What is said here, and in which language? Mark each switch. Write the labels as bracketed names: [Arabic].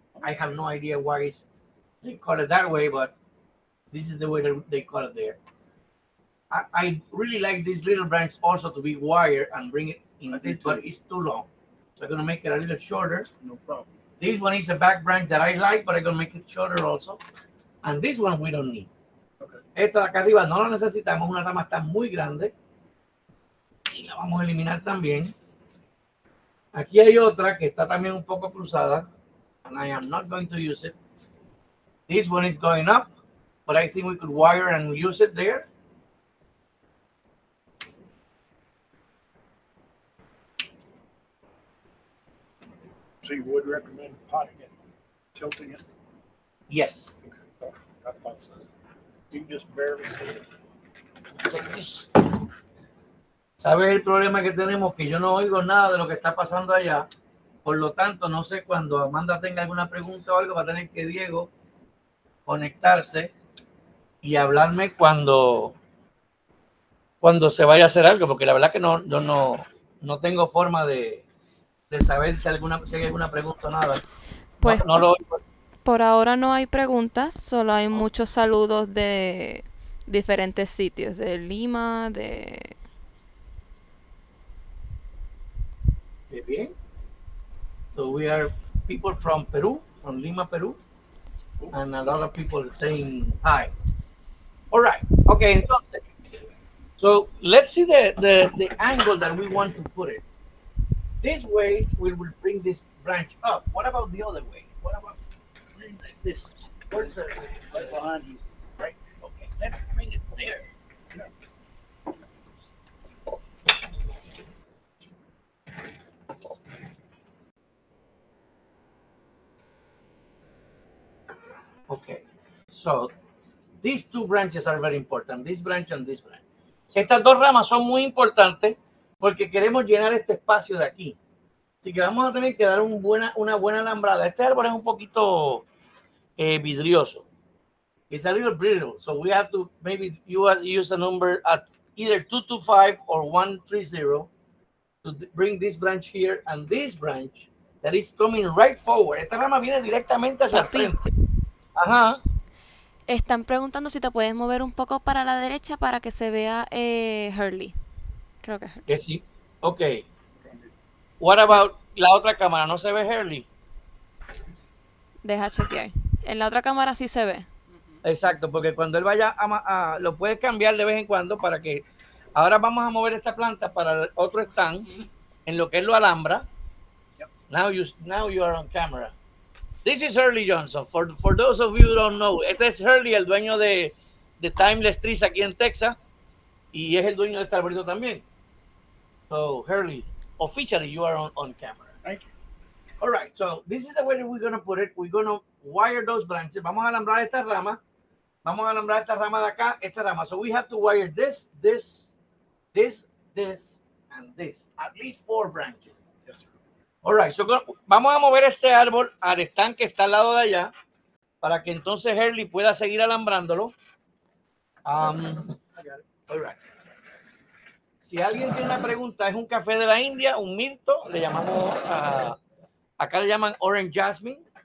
[English] I have no idea why they call it that way, but this is the way that they call it there. I really like this little branch also to be wired and bring it in I this, but it's too long. So I'm going to make it a little shorter. No problem. This one is a back branch that I like, but I'm going to make it shorter also. And this one we don't need. Okay. [Spanish] Esta de acá arriba no la necesitamos, una rama está muy grande. Y la vamos a eliminar también. Aquí hay otra que está también un poco cruzada. [English] And I am not going to use it. This one is going up, but I think we could wire and use it there. So you would recommend potting it, tilting it? Yes. Okay. Oh, I thought so. You can just barely see it. Take this. [Spanish] ¿Sabes el problema que tenemos? Que yo no oigo nada de lo que está pasando allá. Por lo tanto, no sé cuando Amanda tenga alguna pregunta o algo, va a tener que Diego conectarse y hablarme cuando se vaya a hacer algo, porque la verdad que no tengo forma de saber si hay alguna pregunta o nada. Pues no lo oigo. por ahora no hay preguntas, solo hay muchos saludos de diferentes sitios, de Lima, de... Bien. [English] So we are people from Peru, from Lima, Peru, and a lot of people saying hi. All right. Okay. So let's see the angle that we want to put it. This way we will bring this branch up. What about the other way? What about this? Where is the right behind you? Right. Okay. Let's bring it there. Okay, so these two branches are very important, this branch and this branch. [Spanish] Estas dos ramas son muy importantes porque queremos llenar este espacio de aquí. Así que vamos a tener que dar una buena alambrada. Este árbol es un poquito vidrioso. [English] It's a little brittle, so we have to maybe use a number at either 225 or 130 to bring this branch here and this branch that is coming right forward. [Spanish] Esta rama viene directamente hacia el frente. Ajá. Están preguntando si te puedes mover un poco para la derecha para que se vea Hurley. Creo que es Hurley. Que sí. [English] Ok. What about [Spanish] la otra cámara? ¿No se ve Hurley? Deja chequear. En la otra cámara sí se ve. Exacto, porque cuando él vaya a lo puedes cambiar de vez en cuando para que... Ahora vamos a mover esta planta para el otro stand en lo que él lo alambra. [English] Now you are on camera. This is Hurley Johnson. For those of you who don't know, [Spanish] este es Hurley, el dueño de Timeless Trees aquí en Texas, y es el dueño de este arbolito también. [English] So, Hurley, officially you are on camera. Thank you. All right, so this is the way that we're going to put it. We're going to wire those branches. [Spanish] Vamos a alambrar esta rama. Vamos a alambrar esta rama de acá, esta rama. [English] So we have to wire this, this, this, this, and this. At least four branches. All right, so [Spanish] vamos a mover este árbol al stand que está al lado de allá para que entonces Hurley pueda seguir alambrándolo. [English] All right. [Spanish] Si alguien tiene una pregunta, es un café de la India, un mirto, le llamamos, acá le llaman Orange Jasmine.